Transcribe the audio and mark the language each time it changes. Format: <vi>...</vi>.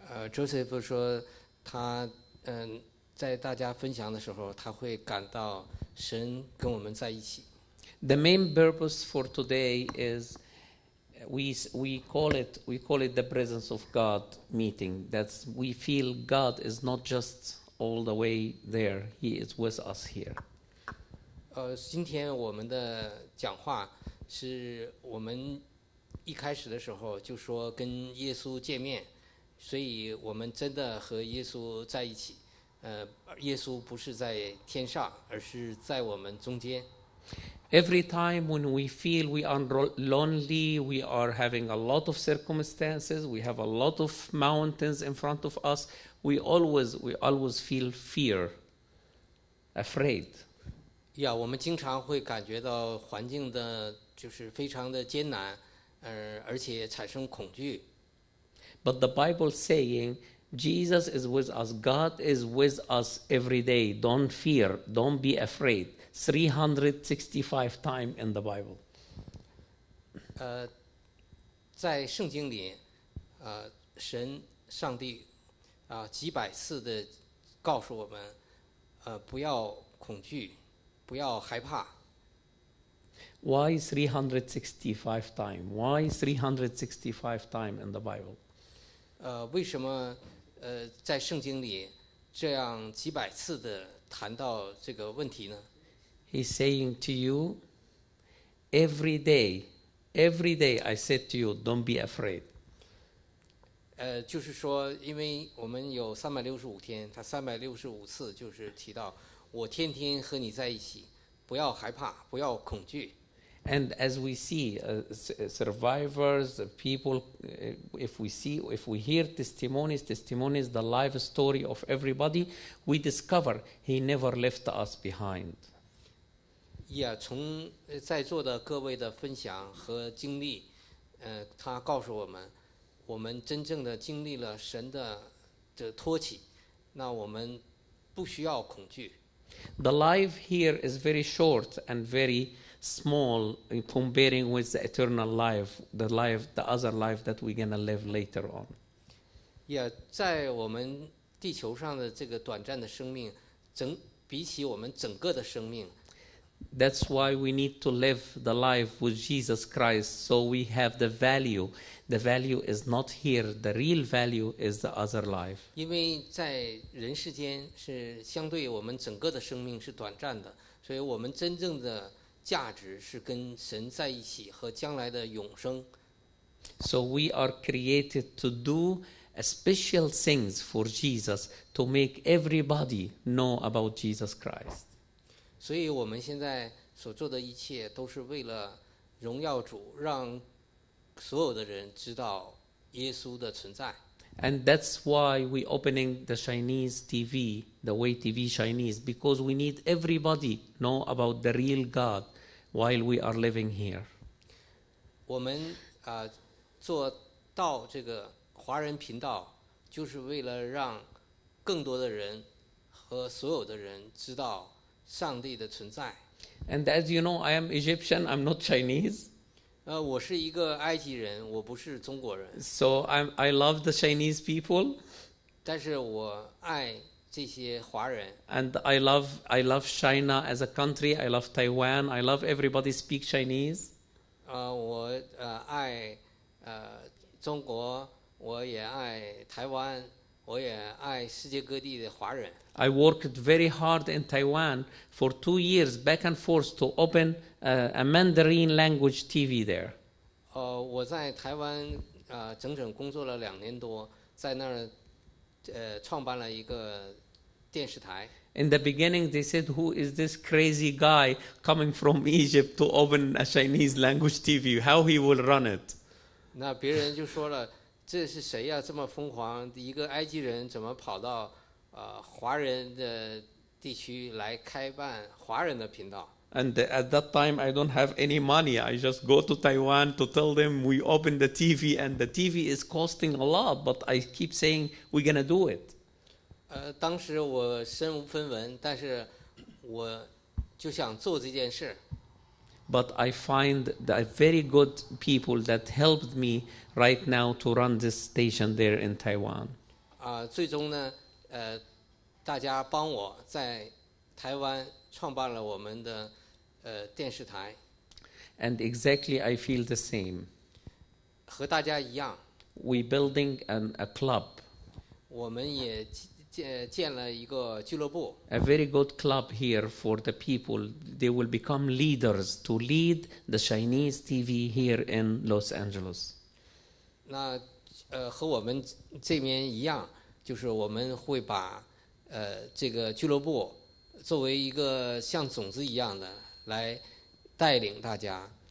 <zh>Joseph 说他在大家分享的时候，他会感到神跟我们在一起。</zh> <en>The main purpose for today is we call it the presence of God meeting. That's we feel God is not just all the way there. He is with us here.</en> <zh>今天我们的讲话是我们一开始的时候就说跟耶稣见面，所以我们真的和耶稣在一起。耶稣不是在天上，而是在我们中间。</zh> <en>Every time when we feel we are lonely, we are having a lot of circumstances, we have a lot of mountains in front of us, we always feel fear, afraid.</en> <zh>Yeah, 我们经常会感觉到环境的就是非常的艰难，而且产生恐惧。</zh> <en>But the Bible saying,Jesus is with us. God is with us every day. Don't fear. Don't be afraid. 365 times in the Bible.</en> <zh>在圣经里，神上帝几百次的告诉我们，不要恐惧，不要害怕。</zh> <en>Why 365 times? Why 365 times in the Bible?</en> <zh>为什么？在圣经里这样几百次的谈到这个问题呢？</zh> <en>He's saying to you, every day I said to you, don't be afraid.</en> <zh>就是说，因为我们有365天，他365次就是提到，我天天和你在一起，不要害怕，不要恐惧。</zh> <en>And as we see survivors, people, if we hear testimonies, the life story of everybody, we discover he never left us behind.</en> <zh>Yeah, 从在座的各位的分享和经历，他告诉我们，我们真正的经历了神的托起，那我们不需要恐惧。</zh> <en>The life here is very short and very small in comparing with the eternal life, the life, the other life that we're going to live later on.</en> <zh>Yeah, 在我们地球上的这个短暂的生命，整比起我们整个的生命。</zh> <en>That's why we need to live the life with Jesus Christ, so we have the value. The value is not here. The real value is the other life.</en> <zh>因为在人世间是相对我们整个的生命是短暂的，所以我们真正的价值是跟神在一起和将来的永生。</zh> <en>So we are created to do special things for Jesus to make everybody know about Jesus Christ.</en> <zh>所以我们现在所做的一切都是为了荣耀主，让所有的人知道耶稣的存在。</zh> <en>And that's why we opening the Chinese TV, the Way TV Chinese, because we need everybody know about the real God while we are living here.</en> <zh>我们做到这个华人频道，就是为了让更多的人和所有的人知道。上帝的存在。</zh> <en>And as you know, I am Egyptian, I'm not Chinese.</en> <zh>我是一个埃及人，我不是中国人。</zh> <en>So I love the Chinese people.</en> <zh>但是我爱这些华人。</zh> <en>And I love China as a country, I love Taiwan, I love everybody speak Chinese.</en> <zh>我爱中国，我也爱台湾。我也爱世界各地的华人。</zh> <en>I worked very hard in Taiwan for 2 years back and forth to open a Mandarin language TV there.</en> <zh>我在台湾整整工作了两年多，在那儿创办了一个电视台。</zh> <en>In the beginning, they said, "Who is this crazy guy coming from Egypt to open a Chinese language TV? How he will run it?"</en> <zh>那别人就说了。这是谁呀？这么疯狂，一个埃及人怎么跑到华人的地区来开办华人的频道</zh> <en>？And at that time, I don't have any money. I just go to Taiwan to tell them we open the TV, and the TV is costing a lot. But I keep saying we're gonna do it.</en> <zh>当时我身无分文，但是我就想做这件事。</zh> <en>But I find the very good people that helped me right now to run this station there in Taiwan.</en> <zh>最终呢，大家帮我在台湾创办了我们的电视台。</zh> <en>And exactly, I feel the same.</en> <zh>和大家一样。</zh> <en>We building a club.</en> <zh>我们也建了一个俱乐部</zh> <en>，a very good club here for the people. They will become leaders to lead the Chinese TV here in Los Angeles.</en> <zh>那和我们这边一样，就是我们会把这个俱乐部作为一个像种子一样的来带领大家。</zh>